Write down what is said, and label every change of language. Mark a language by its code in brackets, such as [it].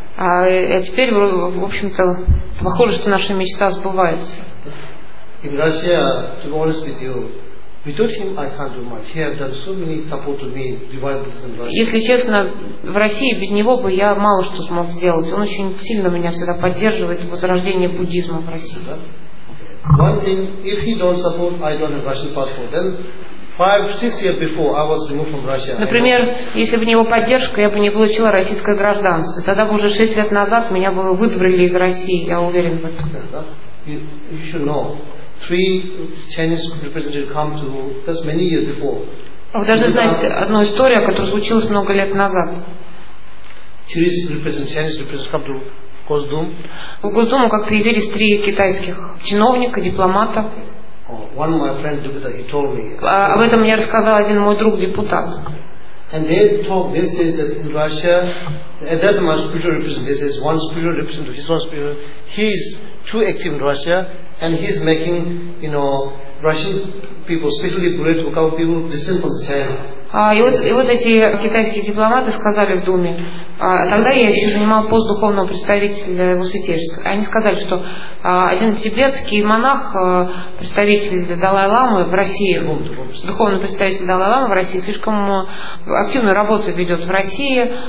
[ru] А теперь, в общем-то, похоже, что наша мечта сбывается. [en] In Russia, to be honest with you, without him, I can't do much. He has done so many support to me, revival in Russia. [ru] Если честно, в России без него бы я мало что смог сделать. Он очень сильно меня всегда поддерживает в возрождении буддизма в России. [en] One thing, if he don't support, I don't have Russian passport. Then 5-6 years before I was removed from Russia. [ru] Например, если бы не его поддержка, я бы не получила российское гражданство. Тогда бы уже 6 лет назад меня бы выдворили из России, я уверен в этом. [en] You should know. 3 Chinese representatives come to that's many years before. [ru] Вы должны знать одну историю, которая случилась много лет назад. [en] Chinese representatives come to Госдум. [ru] В Госдуму как-то явились 3 китайских чиновника, дипломата. [en] One of my friends, deputy, he told me. [ru] Об этом мне рассказал один мой друг депутат. [en] And they talk. They say that in Russia, at that time, spiritual representative. They say one spiritual representative. His one spiritual. He is too active in Russia, and he is making, you know, Russian people, especially political people, distant from China. [ru] И вот эти китайские дипломаты сказали в Думе, тогда я еще занимал пост духовного представителя его святейшества. Они сказали, что один тибетский монах, представитель Далай-ламы в России, духовный представитель Далай-ламы в России, слишком активную работу ведет в России.